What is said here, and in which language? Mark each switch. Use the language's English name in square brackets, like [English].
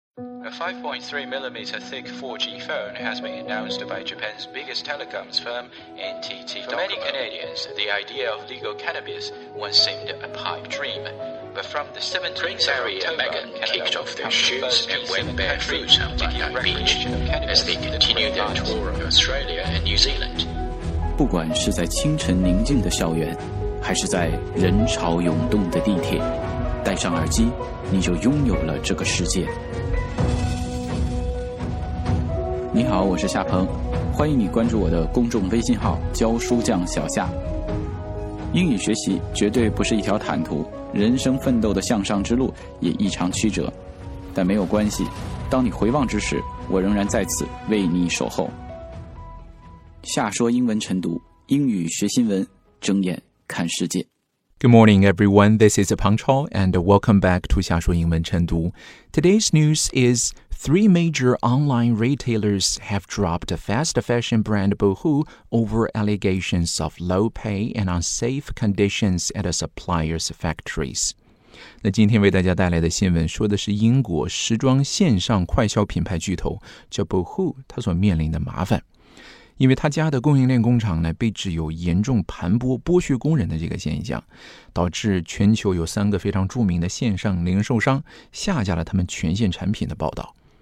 [English] A 5.3mm thick 4G phone has been announced by Japan's biggest telecoms firm, NTT Docomo. For many Canadians, the idea of legal cannabis once seemed a pipe dream. But from the 17th of October, Megan kicked off their shoes and went barefoot on Bondi Beach as they continued their tour of Australia and New Zealand. [Chinese] 不管是在清晨宁静的校园，还是在人潮涌动的地铁，戴上耳机，你就拥有了这个世界。你好，我是夏鹏，欢迎你关注我的公众微信号“教书匠小夏”。英语学习绝对不是一条坦途，人生奋斗的向上之路也异常曲折，但没有关系，当你回望之时，我仍然在此为你守候。夏说英文晨读，英语学新闻，睁眼看世界。 [English] Good morning, everyone. This is Peng Chao, and welcome back to 夏说英文晨读。 Today's news is three major online retailers have dropped fast fashion brand Boohoo over allegations of low pay and unsafe conditions at a supplier's factories. [Chinese] 那今天为大家带来的新闻说的是英国时装线上快消品牌巨头叫 Boohoo 它所面临的麻烦。因为他家的供应链工厂呢，被指有严重盘剥剥削工人的这个现象，导致全球有三个非常著名的线上零售商下架了他们全线产品的报道。